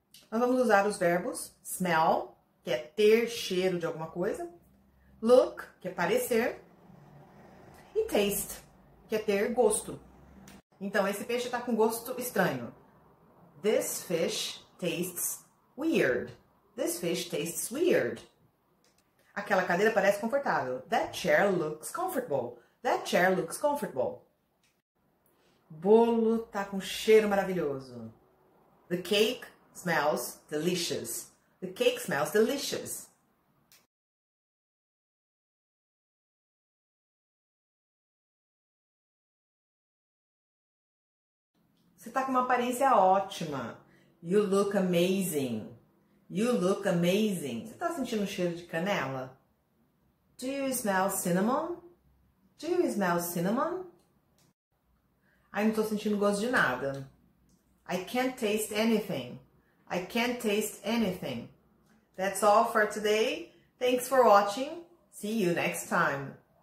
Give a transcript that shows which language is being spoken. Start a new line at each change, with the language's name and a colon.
Portuguese: Nós vamos usar os verbos smell, que é ter cheiro de alguma coisa, look, que é parecer, e taste, que é ter gosto. Então, esse peixe está com gosto estranho.
English: This fish tastes weird. This fish tastes weird.
Portuguese: Aquela cadeira parece confortável.
English: That chair looks comfortable. That chair looks comfortable.
Portuguese: Bolo tá com cheiro maravilhoso.
English: The cake smells delicious. The cake smells delicious.
Portuguese: Você tá com uma aparência ótima.
English: You look amazing. You look amazing.
Portuguese: Você tá sentindo um cheiro de canela?
English: Do you smell cinnamon? Do you smell cinnamon?
Portuguese: Aí não tô sentindo gosto de nada.
English: I can't taste anything. I can't taste anything. That's all for today. Thanks for watching. See you next time.